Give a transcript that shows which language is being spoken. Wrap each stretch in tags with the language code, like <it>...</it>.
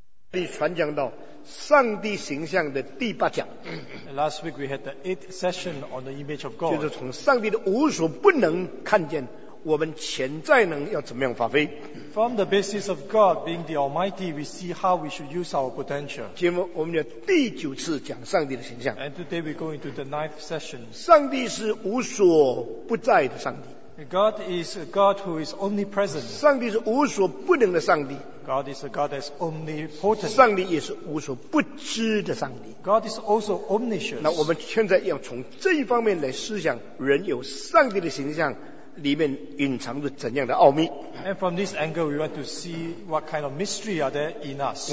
<zh>地传讲到上帝形象的第八讲。</zh> <en>Last week we had the eighth session on the image of God.</en> <zh>就是从上帝的无所不能看见我们潜在能要怎么样发挥。</zh> <en>From the basis of God being the Almighty, we see how we should use our potential.</en> <zh>今天我们要第九次讲上帝的形象。</zh> <en>And today we go into the ninth session.</en> <zh>上帝是无所不在的上帝。</zh> <en>God is a God who is omnipresent.</en> <zh>上帝是无所不能的上帝。</zh> <en>God is a God that is omnipotent.</en> <zh>上帝也是无所不知的上帝。</zh> <en>God is also omniscient.</en> <zh>那我们现在要从这一方面来思想，人有上帝的形象里面隐藏着怎样的奥秘。</zh> <en>And from this angle, we want to see what kind of mystery are there in us.</en>